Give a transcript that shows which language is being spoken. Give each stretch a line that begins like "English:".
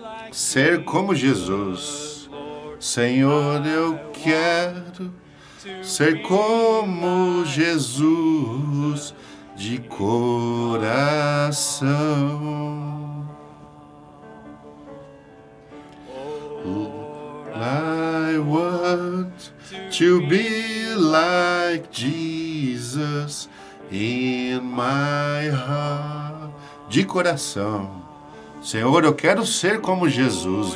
Portuguese: Ser como Jesus. Senhor, eu quero ser como Jesus de coração.
English: I want to be like Jesus in my heart.
Portuguese: De coração. Senhor, eu quero ser como Jesus.